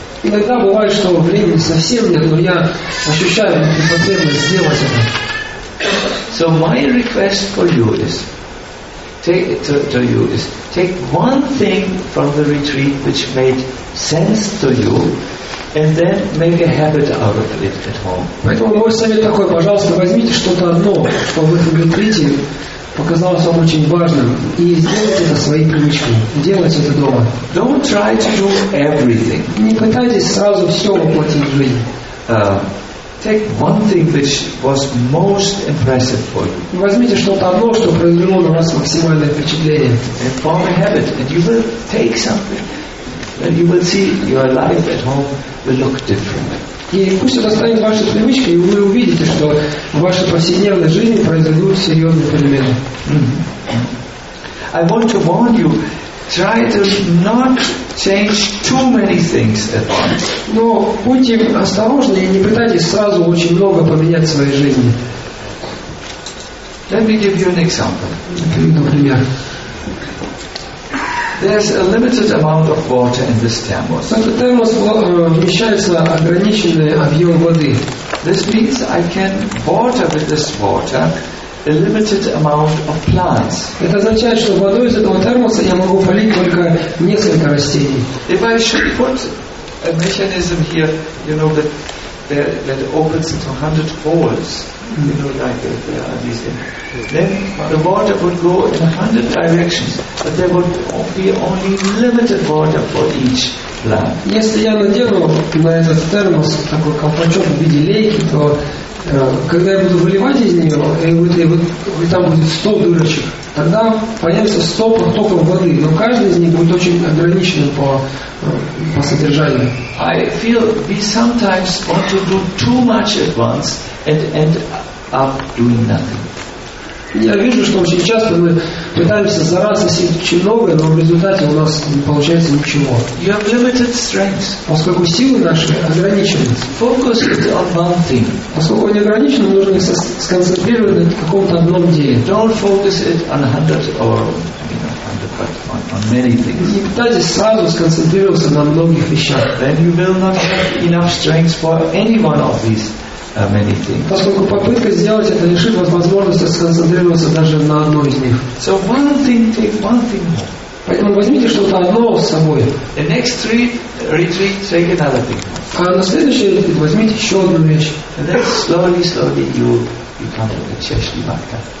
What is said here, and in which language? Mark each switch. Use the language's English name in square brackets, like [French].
[Russian] Иногда бывает, что времени совсем нет, но я ощущаю потребность сделать это. [English] So my request for you is take one thing from the retreat which made sense to you. And then make a habit out of it at home. [Russian] Поэтому мой совет такой: пожалуйста, возьмите что-то одно, что в этом ретрите показалось вам очень важным, и сделайте это своей привычкой. Делайте это дома. [English] Don't try to do everything. [Russian] Не пытайтесь сразу все воплотить в жизнь. [English] Take one thing which was most impressive for you. [Russian] Возьмите что-то одно, что произвело на вас максимальное впечатление. [English] And form a habit, and you will take something. And you will see your life at home will look different. [Russian] И пусть это станет вашей привычкой, и вы увидите, что в вашей повседневной жизни произойдут серьезные перемены. [English] I want to warn you, try to not change too many things at once. [Russian] Но будьте осторожны и не пытайтесь сразу очень много поменять в своей жизни. [English] Let me give you an example. [Russian] Например. [English] There's a limited amount of water in this thermos. [Russian] Этот термос вмещается ограниченный объем воды. [English] This means I can water with this water a limited amount of plants. [Russian] Это означает, что водой из этого термоса я могу полить только несколько растений. [English] If I should put a mechanism here, you know, that opens into 100 volts, you know, like there are these things. Then the water would go in 100 directions, but there would be only limited water for each plant. [Russian] Если я надену на этот термос такой колпачок в виде лейки, то когда я буду выливать из нее, и там будет 100 дырочек, тогда появится 100 потоков воды, но каждый из них будет очень ограничен по содержанию. [English] I feel we sometimes want to do too much at once and end up doing nothing. [Russian] Я вижу, что очень часто мы пытаемся за раз сделать очень много, но в результате у нас не получается ничего. [English] You have limited strength. [Russian] Поскольку силы наши ограничены. [English] Focus on one thing. [Russian] Поскольку они ограничены, нужно сконцентрировать на каком-то одном деле. [English] Don't focus it on on many things. [Russian] Не пытайтесь сразу сконцентрироваться на многих вещах. [English] Then you will not have enough strength for any one of these. [Russian] Поскольку попытка сделать это лишит вас возможности сконцентрироваться даже на одной из них. [English] So one thing, take one thing. [Russian] Поэтому возьмите что-то одно с собой. [English] The next retreat, take another thing. [Russian] А на следующий ретрит возьмите еще одну вещь. [English] And then slowly you become a чешни бхакта.